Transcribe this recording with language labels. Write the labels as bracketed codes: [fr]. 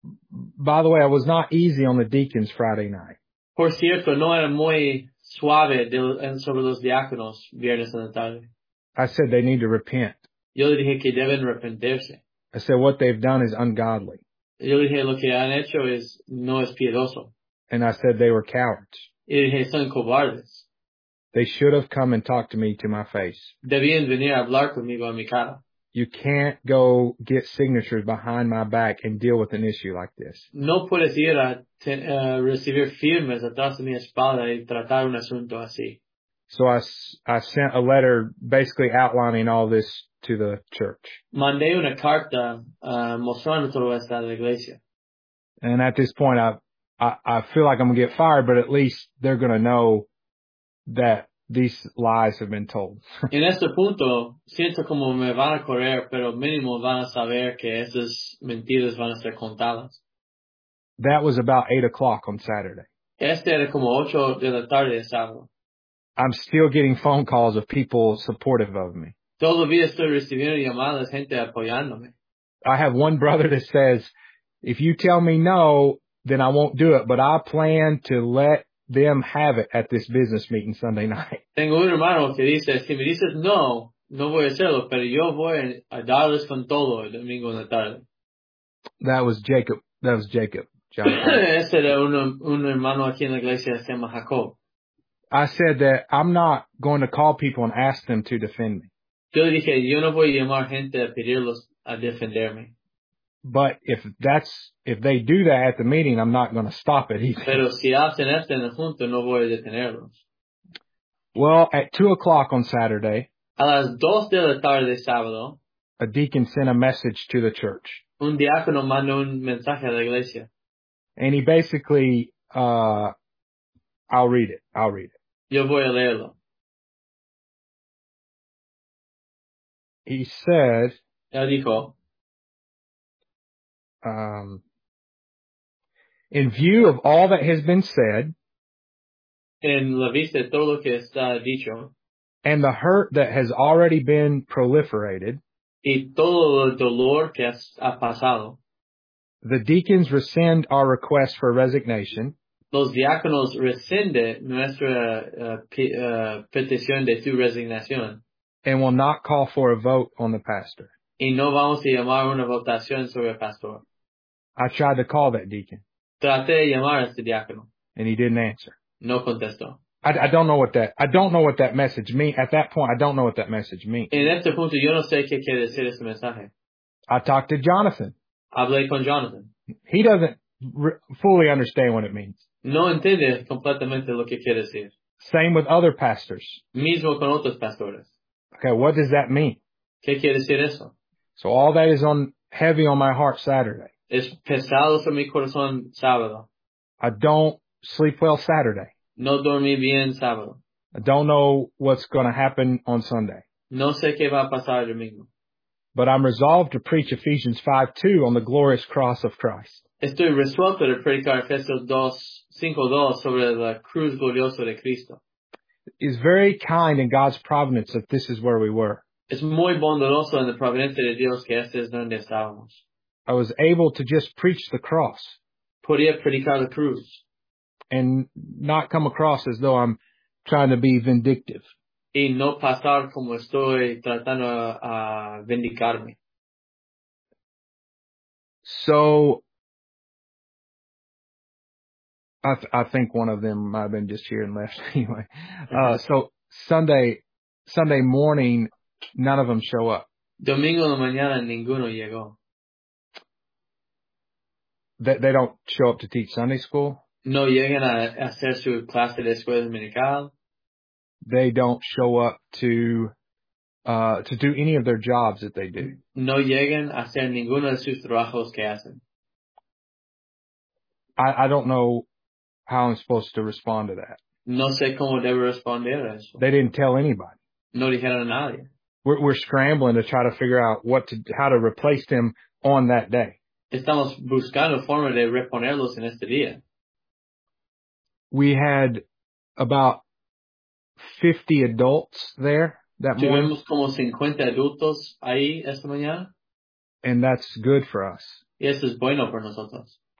[en] By the way, I was not easy on the deacons Friday night. [es] Por cierto, no era muy suave sobre los diáconos viernes en la tarde. [en] I said they need to repent. [es] Yo le dije que deben arrepentirse. [en] I said what they've done is ungodly. [es] Yo le dije lo que han hecho es no es piedoso. [en] And I said they were cowards. [es] Y le dije son cobardes. [en] They should have come and talked to me to my face. [es] Debían venir a hablar conmigo en mi cara. [en] You can't go get signatures behind my back and deal with an issue like this. [es] No puedes ir a recibir firmas atrás de mi espalda y tratar un asunto así. [en] So I sent a letter basically outlining all this to the church. [es] Mandé una carta mostrando todo esto a la iglesia. [en] And at this point, I feel like I'm going to get fired, but at least they're going to know that these lies have been told. [es] En este punto, siento como me van a correr, pero mínimo van a saber que esas mentiras van a ser contadas. [en] That was about 8 o'clock on Saturday. [es] Este era como 8 de la tarde de sábado. [en] I'm still getting phone calls of people supportive of me. [es] Todavía estoy recibiendo llamadas, gente apoyándome. [en] I have one brother that says, if you tell me no, then I won't do it, but I plan to let them have it at this business meeting Sunday night. [es] Tengo un hermano que dice, si me dices no, no voy a hacerlo, pero yo voy a darles con todo el domingo en la tarde. [en] That was Jacob. That was Jacob. [es] Ese era un hermano aquí en la iglesia que se llama Jacob. [en] I said that I'm not going to call people and ask them to defend me. [es] Yo dije, yo no voy a llamar gente a pedirlos a defenderme. [en] But if they do that at the meeting, I'm not going to stop it either. [es] Pero si hacen esto en la junta, no voy a detenerlos. [en] Well, at 2 o'clock on Saturday, [es] a las dos de la tarde de sábado, [en] a deacon sent a message to the church. [es] Un diácono mandó un mensaje a la iglesia. [en] And he basically, I'll read it. [es] Yo voy a leerlo. [en] He said, [es] él dijo, [en] in view of all that has been said, [es] en la vista de todo lo que está dicho, [en] and the hurt that has already been proliferated, [es] y todo el dolor que ha pasado, [en] the deacons rescind our request for resignation. [es] Los diáconos rescinde nuestra petición de su resignación. [en] And will not call for a vote on the pastor. [es] Y no vamos a llamar una votación sobre el pastor. [en] I tried to call that deacon. [es] Traté de llamar a este diácono. [en] And he didn't answer. [es] No contestó. [en] I don't know what that message means. At that point, I don't know what that message means. [es] En este punto, yo no sé qué quiere decir este mensaje. [en] I talked to Jonathan. [es] Hablé con Jonathan. [en] He doesn't fully understand what it means. [es] No entiende completamente lo que quiere decir. [en] Same with other pastors. [es] Mismo con otros pastores. [en] Okay, what does that mean? [es] ¿Qué quiere decir eso? [en] So all that is heavy on my heart Saturday. [es] Es pesado sobre mi corazón sábado. [en] I don't sleep well Saturday. [es] No dormí bien sábado. [en] I don't know what's going to happen on Sunday. [es] No sé qué va a pasar el domingo. [en] But I'm resolved to preach Ephesians 5:2 on the glorious cross of Christ. [es] Estoy resuelto de predicar Efesios 5:2 sobre la cruz gloriosa de Cristo. [en] It's very kind in God's providence that this is where we were. [es] Es muy bondadoso en la providencia de Dios que este es donde estábamos. [en] I was able to just preach the cross. [es] Podía predicar la cruz. [en] And not come across as though I'm trying to be vindictive. [es] Y no pasar como estoy tratando a vindicarme. [en] So, I think one of them might have been just here and left anyway. So Sunday morning, none of them show up. [es] Domingo de mañana ninguno llegó. [en] They don't show up to teach Sunday school. [es] No llegan a hacer su clase de escuela dominical. [en] They don't show up to do any of their jobs that they do. [es] No llegan a hacer ninguno de sus trabajos que hacen. [en] I don't know how I'm supposed to respond to that. [es] No sé cómo debo responder a eso. [en] They didn't tell anybody. [es] No dijeron a nadie. [en] We're scrambling to try to figure out how to replace them on that day. [es] Estamos buscando forma de reponerlos en este día. [en] We had about 50 adults there that morning. [es] Tuvimos como 50 adultos ahí esta mañana. [en] And that's good for us. [es] Y eso es bueno para nosotros.